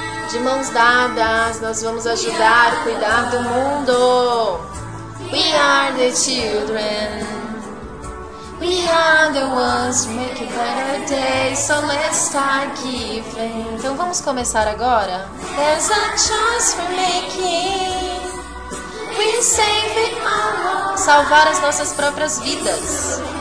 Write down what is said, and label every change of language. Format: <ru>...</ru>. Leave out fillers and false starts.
<pt>De mãos dadas, nós vamos ajudar a cuidar do mundo.</pt> <en>We are the children. We are the ones who make a better day, so let's start giving.</en> <pt>Então vamos começar agora?</pt> <en>There's a choice we're making. We save it all.</en> <pt>Salvar as nossas próprias vidas.</pt>